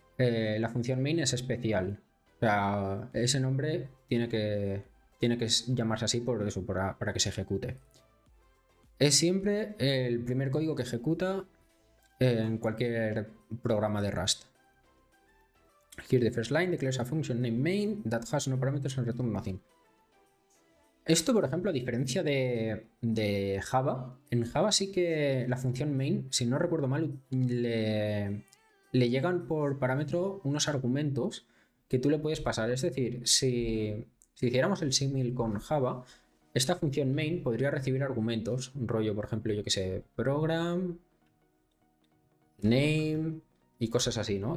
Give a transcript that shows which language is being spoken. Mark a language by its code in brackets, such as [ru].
[es] La función main es especial, o sea, ese nombre tiene que llamarse así por eso, para que se ejecute. Es siempre el primer código que ejecuta en cualquier programa de Rust. [en] Here the first line declares a function named main that has no parameters and return nothing. [es] Esto, por ejemplo, a diferencia de Java, en Java sí que la función main, si no recuerdo mal, le llegan por parámetro unos argumentos que tú le puedes pasar. Es decir, si hiciéramos el símil con Java, esta función main podría recibir argumentos, un rollo, por ejemplo, yo que sé, program, name y cosas así, ¿no?